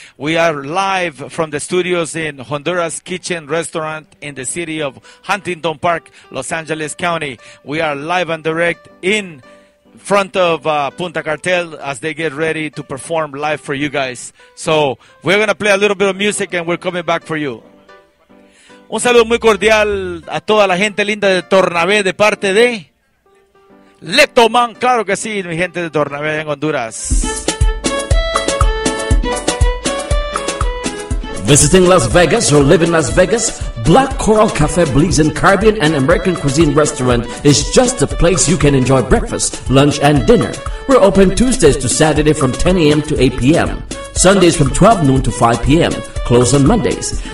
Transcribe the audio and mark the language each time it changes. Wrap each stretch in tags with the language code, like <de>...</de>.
<en>We are live from the studios in Honduras Kitchen Restaurant in the city of Huntington Park, Los Angeles County. We are live and direct in front of Punta Cartel as they get ready to perform live for you guys. So we're going to play a little bit of music and we're coming back for you.</en> <es>Un saludo muy cordial a toda la gente linda de Tornabé de parte de Letomán, claro que sí, mi gente de Tornabé en Honduras.</es> <en>Visiting Las Vegas or live in Las Vegas, Black Coral Cafe believes in Caribbean and American cuisine restaurant is just the place you can enjoy breakfast, lunch and dinner. We're open Tuesdays to Saturday from 10 a.m. to 8 p.m. Sundays from 12 noon to 5 p.m. Close on Mondays.</en>